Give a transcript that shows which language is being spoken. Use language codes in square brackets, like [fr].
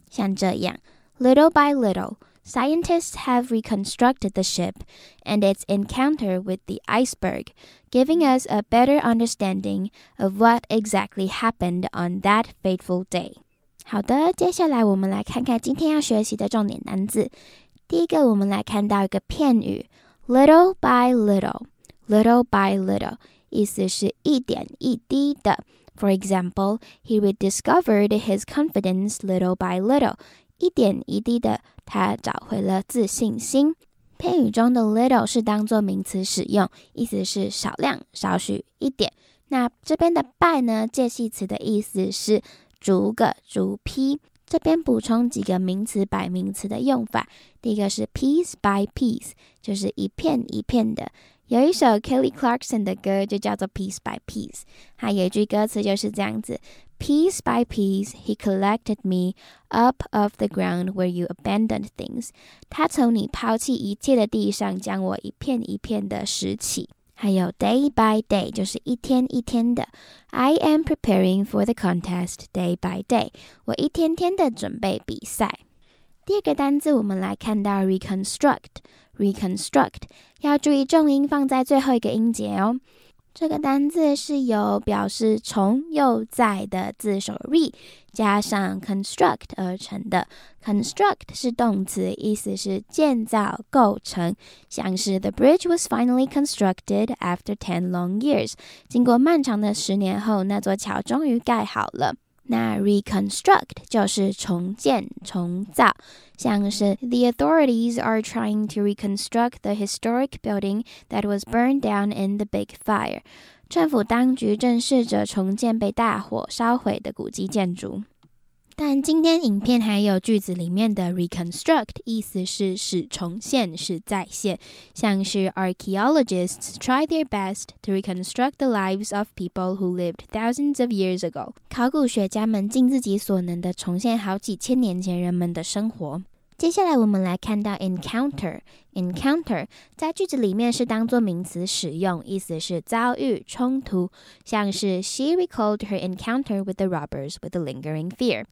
[zh] 像这样 [en] little by little scientists have reconstructed the ship and its encounter with the iceberg, giving us a better understanding of what exactly happened on that fateful day. [zh] 好的，接下来我们来看看今天要学习的重点单字。第一个，我们来看到一个片语 little by little, little by little, 意思是一点一滴的。 [en] For example, he rediscovered his confidence little by little, [zh] 一点一滴的他找回了自信心。片语中的 little 是当作名词使用，意思是少量、少许、一点。那这边的 by 呢，介系词的意思是逐个、逐批。这边补充几个名词摆名词的用法。第一个是 piece by piece， 就是一片一片的。有一首 Kelly Clarkson 的歌就叫做 piece by piece， 它有一句歌词就是这样子。 [en] Piece by piece, he collected me up off the ground where you abandoned things. [zh] 他从你抛弃一切的地上将我一片一片的拾起。还有 day by day, 就是一天一天的。 [en] I am preparing for the contest day by day. [zh] 我一天天的准备比赛。第二个单字我们来看到 reconstruct. Reconstruct, 要注意重音放在最后一个音节哦。这个单字是由表示重又再的字首 re 加上 construct 而成的。 construct 是动词，意思是建造、构成，像是 [en] the bridge was finally constructed after 10 long years， [zh] 经过漫长的十年后，那座桥终于盖好了。 [en] 那 reconstruct [zh] 就是重建、重造，像是 [en] the authorities are trying to reconstruct the historic building that was burned down in the big fire. [zh] 政府当局正试着重建被大火烧毁的古迹建筑。但今天影片还有句子里面的 [en] reconstruct [zh] 意思是使重现、使再现，像是 [en] archaeologists try their best to reconstruct the lives of people who lived thousands of years ago. [zh] 考古学家们尽自己所能的重现好几千年前人们的生活。接下来我们来看到 encounter。Encounter 在句子里面是当作名词使用，意思是遭遇、冲突，像是 [en] She recalled her encounter with the robbers with a lingering fear.